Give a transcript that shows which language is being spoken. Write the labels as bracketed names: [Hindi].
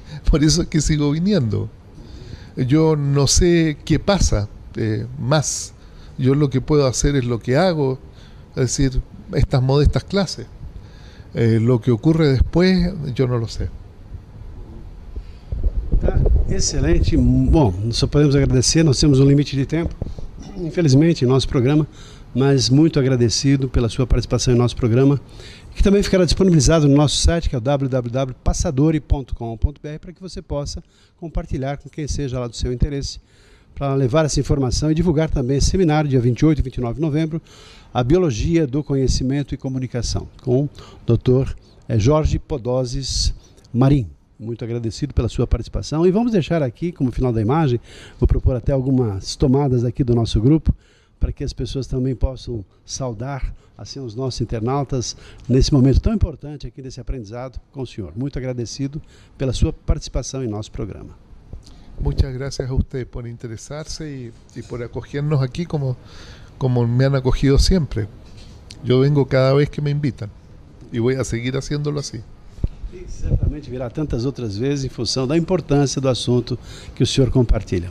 [Spanish] Por eso es que sigo viniendo. Yo no sé qué pasa más. Yo lo que puedo hacer es lo que hago, es decir, estas modestas clases. Lo que ocurre después, yo no lo sé. [Portuguese] Tá, excelente. Bom, só podemos agradecer, nós temos um limite de tempo. Infelizmente, nosso programa mas muito agradecido pela sua participação em nosso programa, que também ficará disponibilizado no nosso site, que é o www.passadori.com.br, para que você possa compartilhar com quem seja lá do seu interesse, para levar essa informação e divulgar também esse seminário, dia 28 e 29 de novembro, a Biologia do Conhecimento e Comunicação, com o Dr. Jorge Podoses Marim. Muito agradecido pela sua participação. E vamos deixar aqui, como final da imagem, vou propor até algumas tomadas aqui do nosso grupo, para que as pessoas também possam saudar assim os nossos internautas nesse momento tão importante aqui desse aprendizado com o senhor. Muito agradecido pela sua participação em nosso programa. [Spanish] Muchas gracias a usted por interesarse y por acogernos aquí como me han acogido siempre. Yo vengo cada vez que me invitan y voy a seguir haciéndolo así. [Portuguese] Certamente virá tantas outras vezes em função da importância do assunto que o senhor compartilha.